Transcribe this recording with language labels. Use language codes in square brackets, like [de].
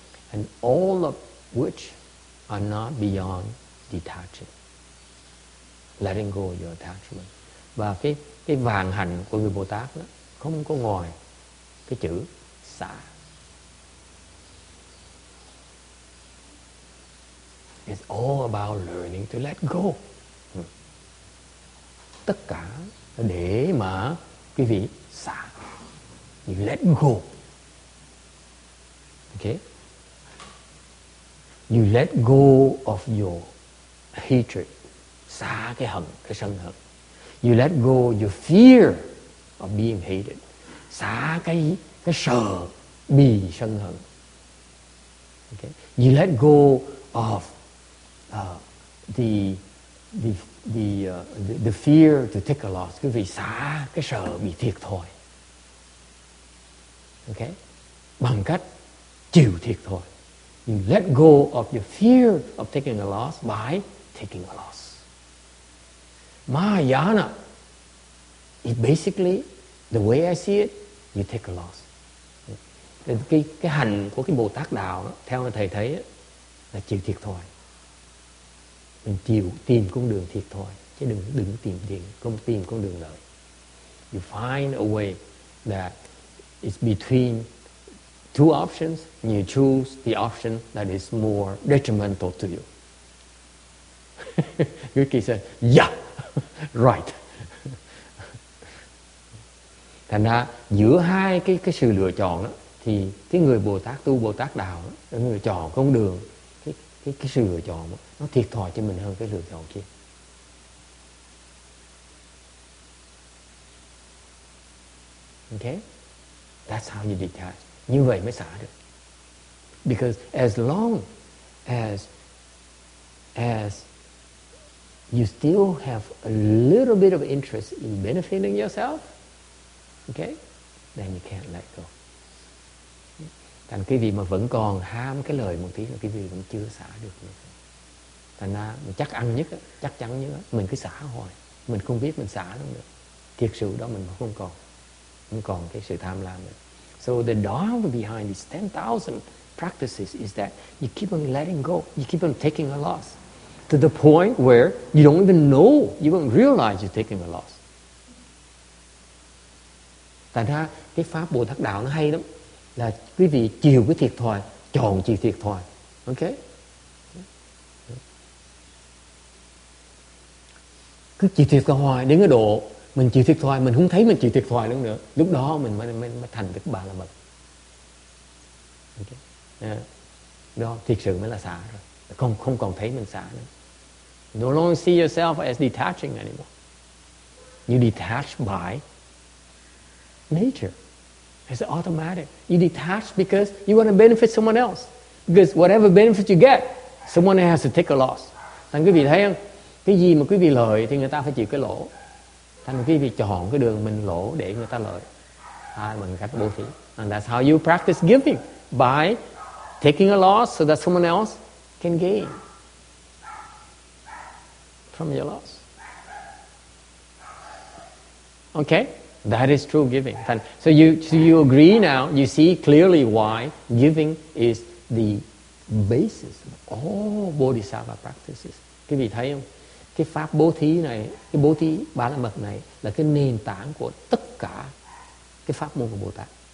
[en] And all of which are not beyond detaching, letting go of your attachment. [vi] Và cái vàng hạnh của người Bồ Tát đó không có ngoài cái chữ xả. [en] It's all about learning to let go. [vi] Tất cả để mà quý vị xả, [en] you let go. Okay. You let go of your hatred, [vi] xả cái hận, cái sân hận. [en] You let go your fear of being hated, [vi] xả cái sợ bị sân hận. [en] Okay. You let go of the fear to take a loss, [vi] quý vị xả cái sợ bị thiệt thòi. Okay, bằng cách chịu thiệt thòi. [en] You let go of your fear of taking a loss by taking a loss. Mahayana, it basically, the way I see it, you take a loss. [vi] Cái hành của cái Bồ Tát đạo đó, theo thầy thấy đó, là chịu thiệt thòi. Mình chịu tìm con đường thiệt thòi, chứ đừng tìm tiền, không tìm con đường lợi. [en] You find a way that is between two options, you choose the option that is more detrimental to you. Yuki said, yeah, right. [vi] Thành ra giữa hai cái sự lựa chọn đó, thì cái người Bồ Tát tu Bồ Tát đạo đó, người chọn con đường, cái sự lựa chọn đó, nó thiệt thòi cho mình hơn cái lựa chọn kia. [en] Okay? That's how you detach. [vi] Như vậy mới xả được. [en] Because as long as you still have a little bit of interest in benefiting yourself, okay, then you can't let go. [vi] Thành cái gì mà vẫn còn ham cái lời một tí là cái gì vẫn chưa xả được nữa. Thành ra mình chắc ăn nhất, chắc chắn nhất, mình cứ xả hoài. Mình không biết mình xả luôn được. Thiệt sự đó mình không còn. Không còn cái sự tham lam nữa. [en] So the dharma behind these 10,000 practices is that you keep on letting go. You keep on taking a loss. To the point where you don't even know, you don't realize you're taking a loss. [vi] Thành ra cái pháp Bồ Tát đạo nó hay lắm, là quý vị chịu cái thiệt thòi, chọn chịu thiệt thòi. Ok, cứ chịu thiệt thòi đến cái độ mình chịu thiệt thòi, mình không thấy mình chịu thiệt thòi nữa nữa, lúc đó mình mới thành được Bà La Mật. Okay. Yeah. Đó thiệt sự mới là xả rồi, không còn thấy mình xả nữa. [en] No longer see yourself as detaching anymore. You detach by nature. It's automatic. You detach because you want to benefit someone else. Because whatever benefit you get, someone has to take a loss. [vi] Thành quý vị thấy không? Cái gì mà quý vị lợi thì người ta phải chịu cái lỗ. Thành quý vị chọn cái đường mình lỗ để người ta lợi. Ai bằng cách bố thí. [en] And that's how you practice giving. By taking a loss so that someone else can gain from your loss. Okay? That is true giving. So you agree now, you see clearly why giving is the basis of all bodhisattva practices. [vi] Quý vị thấy không? Cái pháp bố thí này, cái bố thí Bà La Mật này là cái nền tảng của tất cả cái pháp môn của Bồ Tát.